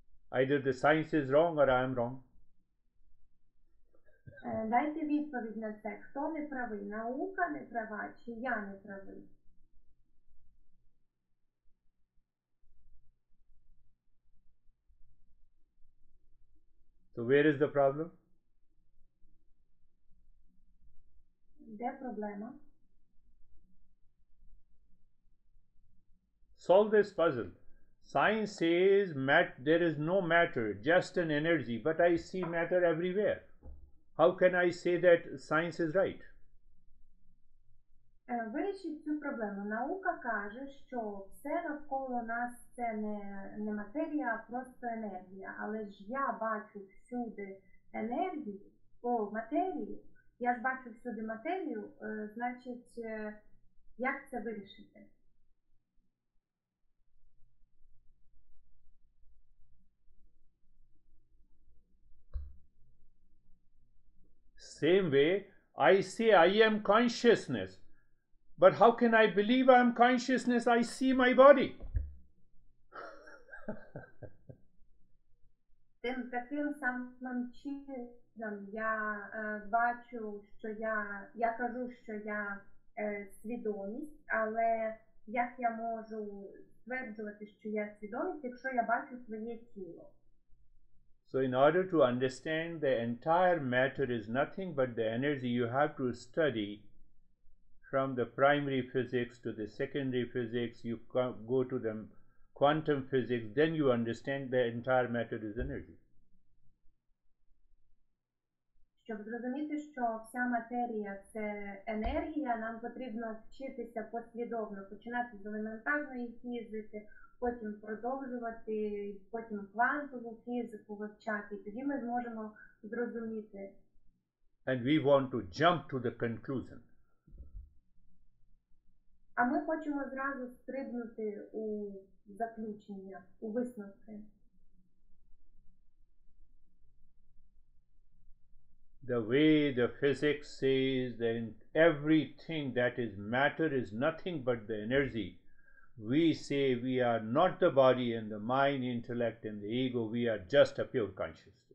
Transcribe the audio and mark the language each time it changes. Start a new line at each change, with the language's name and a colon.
English: Either the science is wrong or I am wrong.
Ukrainian: Дайте відповідь на це. Хто не правий? Наука не права чи я не правий?
English: So where is the problem?
Ukrainian: Де проблема?
English: Solve this puzzle. Science says there is no matter, just an energy, but I see matter everywhere. How can I say that science is right?
Ukrainian: Вирішіть цю проблему. Наука каже, що все навколо нас це не матерія, а просто енергія. Але ж я бачу всюди енергію, матерію. Я ж бачу всюди матерію, значить, як це вирішити?
English: same way, I say I am consciousness. But how can I believe I am consciousness? I see my body.
Ukrainian: Тим таким самим чином я бачу, що я кажу, що я свідомість, але як я можу стверджувати, що я свідомість, якщо я бачу своє тіло?
English: So in order to understand the entire matter is nothing but the energy, you have to study from the primary physics to the secondary physics, you go to the quantum physics, then you understand the entire matter is energy.
Ukrainian: Щоб зрозуміти, що вся матерія – це енергія, нам потрібно вчитися послідовно, починати з елементарної фізики, потім продовжувати, потім квантову фізику вивчати, тоді ми зможемо зрозуміти.
English: And we want to jump to the conclusion.
Ukrainian: А ми хочемо зразу стрибнути у заключення, у висновки.
English: The way the physics says that everything that is matter is nothing but the energy. We say we are not the body and the mind, intellect and the ego, we are just a pure consciousness.